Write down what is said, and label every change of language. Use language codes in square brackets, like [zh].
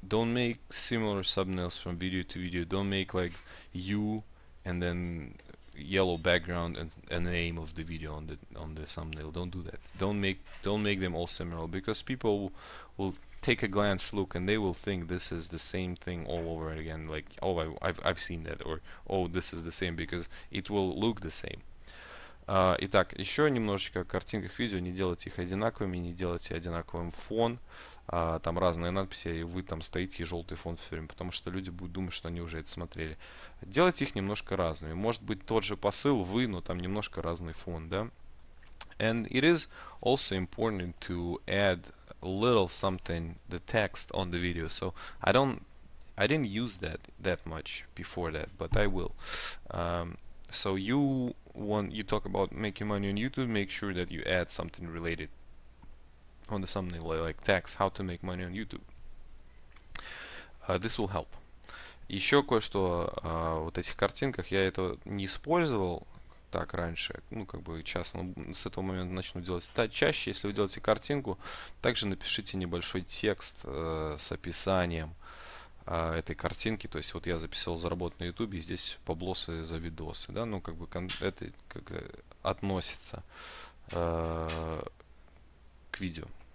[en] Don't make similar thumbnails from video to video. Don't make like you and then yellow background and the name of the video on the thumbnail. Don't do that. Don't make them all similar, because people will take a glance look and they will think this is the same thing all over again. Like, oh, I've seen that, or oh, this is the same, because it will look the same. [ru] Итак, еще немножечко о картинках видео. Не делайте их одинаковыми, не делайте одинаковым фон. Там разные надписи, и вы там стоите, и желтый фон все время, потому что люди будут думать, что они уже это смотрели. Делайте их немножко разными. Может быть, тот же посыл вы, но там немножко разный фон, да? [en] And it is also important to add a little something, the text on the video. So I didn't use that much before that, but I will. So you when you talk about making money on YouTube, make sure that you add something related on the thumbnail, like text, how to make money on YouTube. This will help. [ru] Еще кое-что вот этих картинках я этого не использовал так раньше, ну как бы сейчас, но с этого момента начну делать это чаще. Если вы делаете картинку, также напишите небольшой текст с описанием этой картинки, то есть вот я записал заработать на YouTube, и здесь поблосы за видосы, да, ну как бы это как относится к видео.